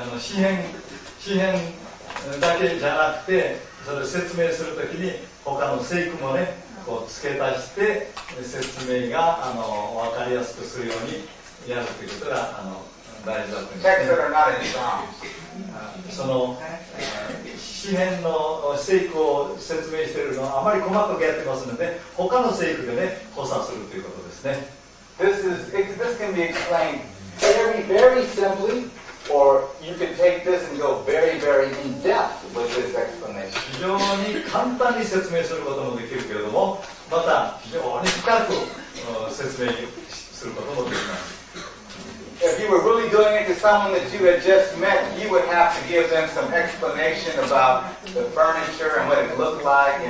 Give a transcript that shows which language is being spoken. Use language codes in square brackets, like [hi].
[ja] し、詩編だけじゃなくて、それを説明するときに他の聖句もね、こう付け足して説明が分かりやすくするようにやるということが大事だと思います。その詩編の聖句を説明しているのはあまり細かくやってますので、他の聖句でね補佐するということですね。 [en] This can be explained very very simply. Or you can take this and go very, very in depth with this explanation. [ja] 非常に簡単に説明することもできるけれども、また非常に深く説明することもできます。 [en] If you were really doing it to someone that you had just met, you would have to give them some explanation about the furniture and what it looked like.